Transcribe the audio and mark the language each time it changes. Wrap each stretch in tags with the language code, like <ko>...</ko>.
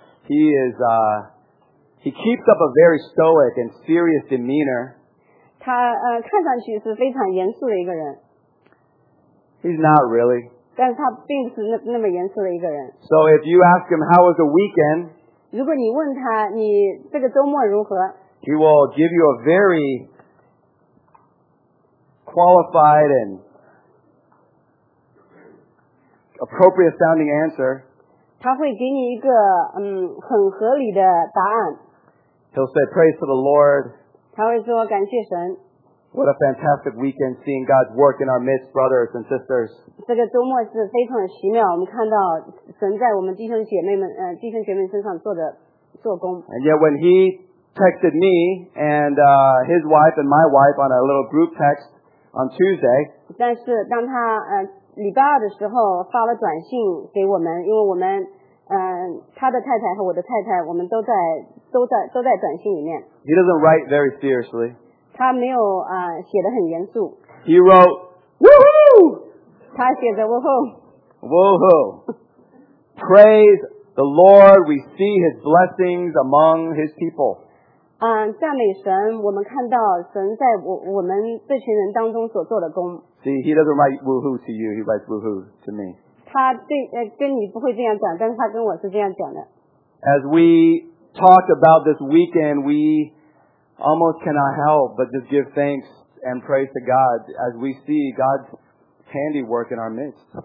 <en>He is, he keeps up a very stoic and serious demeanor.</en> <zh>他看上去是非常严肃的一个人。</zh> <en>He's not really.</en> <zh>但是他并不是那么严肃的一个人。</zh> <en>So if you ask him how was the weekend,</en> <zh>如果你问他你这个周末如何，</zh> <en>he will give you a very qualified and appropriate sounding answer.</en> <zh>他会给你一个很合理的答案。</zh> <en>He'll say praise to the Lord.</en> <zh>他会说感谢神。</zh> <en>What a fantastic weekend seeing God's work in our midst, brothers and sisters.</en> <zh>这个周末是非常奇妙，我们看到神在我们弟兄姐妹们弟兄姐妹身上做工。</zh> <en>And yet when he texted me and his wife and my wife on a little group text on Tuesday.</en> <zh>但是当他礼拜二的时候发了短信给我们，因为我们他的太太和我的太太，我们都在短信里面。</zh> <en>He doesn't write very seriously.</en> <zh>他没有写得很严肃。</zh> <en>He wrote, Woohoo!</en> <zh>他写着 Woohoo!</zh> <en>Woohoo! Praise the Lord, we see his blessings among his people.</en> <zh>赞美神，我们看到神在我们这群人当中所做的工。</zh> <en>See, he doesn't write Woohoo to you, he writes Woohoo to me.</en> <zh>他跟你不会这样讲，但是他跟我是这样讲的。</zh> <en>As we talked about this weekend, we almost cannot help but just give thanks and praise to God as we see God's handiwork in our midst.</en>